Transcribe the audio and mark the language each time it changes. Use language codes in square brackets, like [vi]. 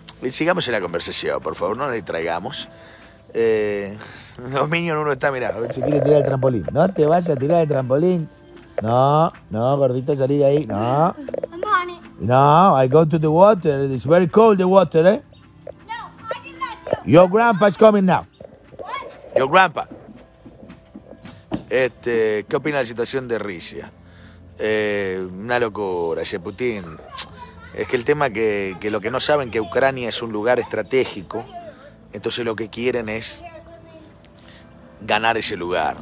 [es] Sigamos en la conversación, por favor, no nos distraigamos. Los minions, uno está, mirá. A ver si quiere tirar el trampolín. No te vayas a tirar el trampolín. No, no, gordito, salí de ahí. No. [en] I'm on it. No, I go to the water. It's very cold, the water, eh? No, I did that too. Your grandpa's coming now. What? Your grandpa. [es] ¿Qué opina de la situación de Rusia? Una locura, ese Putin. Es que el tema que lo que no saben que Ucrania es un lugar estratégico. Entonces lo que quieren es ganar ese lugar.